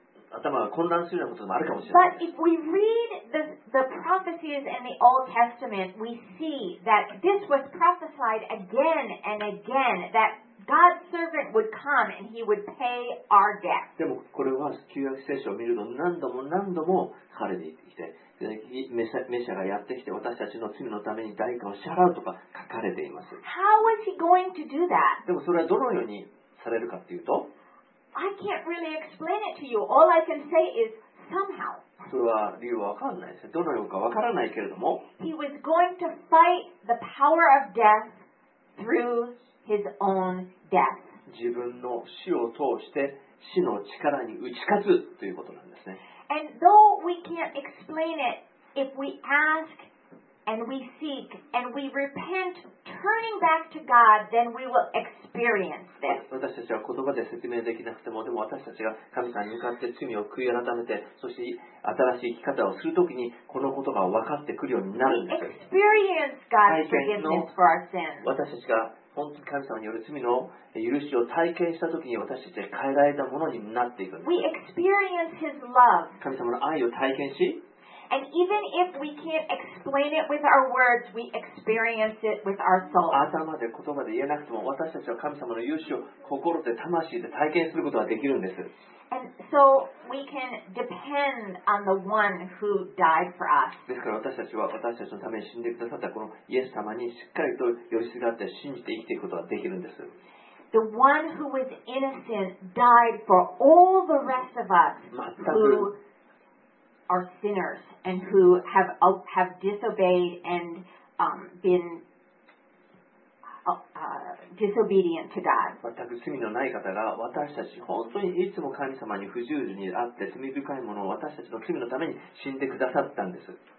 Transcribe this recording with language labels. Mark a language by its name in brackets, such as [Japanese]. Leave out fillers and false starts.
[Japanese] 頭が混乱するようなこともあるかもしれない。 [English] But if we read the prophecies in the Old Testament, we see that this was prophesied again and again that God's servant would come and he would pay our debt. [Japanese] でもこれは旧約聖書を見ると何度も何度も彼に言ってきて、メシアがやってきて私たちの罪のために代価を支払うとか書かれています。 [English] How was he going to do that? [Japanese] でもそれはどのようにされるかというと、 [English] I can't really explain it to you. All I can say is somehow. [Japanese] それは理由は分からないです。どのようかわからないけれども。 [English] He was going to fight the power of death through his own death. [Japanese] 自分の死を通して死の力に打ち勝つということなんですね。 [English] And though we can't explain it, if we ask and we seek and we repent. Turning back to God, then we will experience this. [Japanese] 私たちは言葉で説明できなくても、でも私たちが神様に向かって罪を悔い改めて、そして新しい生き方をするときに、このことが分かってくるようになるんです。 [English] Experience God's forgiveness for our sins. [Japanese] 私たちが本当に神様による罪の許しを体験したときに、私たちは変えられたものになっていくんです。 [English] We experience His love. [Japanese] 神様の愛を体験し、 [English] And even if we can't explain it with our words, we experience it with our soul. [Japanese] 頭で言葉で言えなくても、私たちは神様の勇姿を心で魂で体験することができるんです。 [English] And so we can depend on the one who died for us. [Japanese] ですから私たちは私たちのために死んでくださったこのイエス様にしっかりと寄りすがって信じて生きていくことができるんです。 [English] The one who was innocent died for all the rest of us who are sinners and who have disobeyed and been disobedient to God. [Japanese] 全く罪のない方が私たち本当にいつも神様に不従順にあって罪深いものを私たちの罪のために死んでくださったんです。